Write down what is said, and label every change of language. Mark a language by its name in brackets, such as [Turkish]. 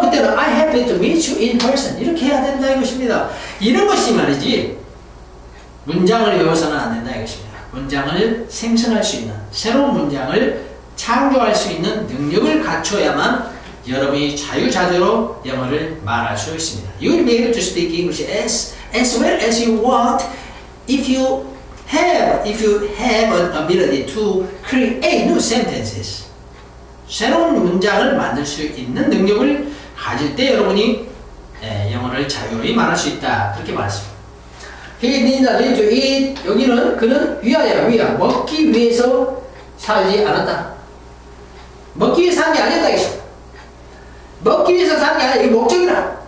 [Korean] 그때는 [English] I happy to meet you in person [Korean] 이렇게 해야 된다 이것입니다. 이런 것이 말이지 문장을 외워서는 안 된다 이것입니다. 문장을 생성할 수 있는 새로운 문장을 창조할 수 있는 능력을 갖춰야만 여러분이 자유자재로 영어를 말할 수 있습니다. [English] You'll be able to speak English as well as you want if you have an ability to create new sentences. [Korean] 새로운 문장을 만들 수 있는 능력을 가질 때 여러분이 영어를 자유로이 말할 수 있다. 그렇게 말했습니다. [English] He needed to eat. [Korean] 여기는 그는 위하여 먹기 위해서 살지 않았다. 먹기 위해서 산 게 아니었다. 먹기 위해서 산 게 아니라 이게 목적이라.